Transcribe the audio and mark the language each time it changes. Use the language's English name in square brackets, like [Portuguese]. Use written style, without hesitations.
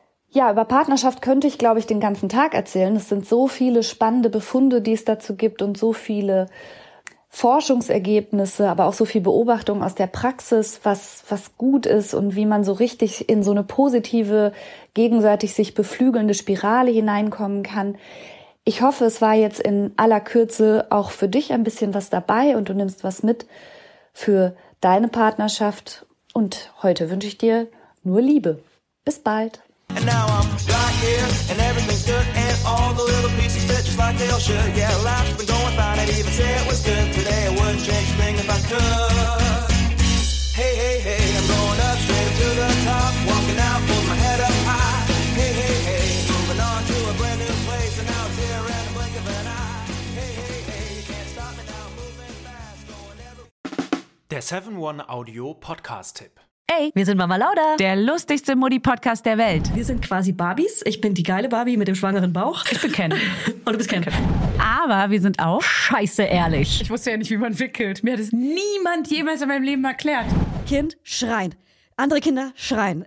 [German] Ja, über Partnerschaft könnte ich, glaube ich, den ganzen Tag erzählen. Es sind so viele spannende Befunde, die es dazu gibt, und so viele Forschungsergebnisse, aber auch so viel Beobachtung aus der Praxis, was gut ist und wie man so richtig in so eine positive, gegenseitig sich beflügelnde Spirale hineinkommen kann. Ich hoffe, es war jetzt in aller Kürze auch für dich ein bisschen was dabei und du nimmst was mit für deine Partnerschaft. Und heute wünsche ich dir nur Liebe. Bis bald. [English] And now I'm right here, and everything's good, and all the little pieces fit just like they all should. Yeah, life's been going fine, I'd even say it was good. Today I wouldn't change a thing if I could. Hey, hey, hey, I'm going up straight to the top, walking out, pull my head up high. Hey, hey, hey, moving on to a brand new place, and now it's here in the blink of an eye. Hey, hey, hey, can't stop me now, moving fast, going ever. [German] Der 7-1-Audio Podcast Tipp. Ey, wir sind Mama Lauda, der lustigste Mutti-Podcast der Welt. Wir sind quasi Barbies. Ich bin die geile Barbie mit dem schwangeren Bauch. Ich bin Ken. Und du bist Ken. Aber wir sind auch scheiße ehrlich. Ich wusste ja nicht, wie man wickelt. Mir hat es niemand jemals in meinem Leben erklärt. Kind schreien. Andere Kinder schreien.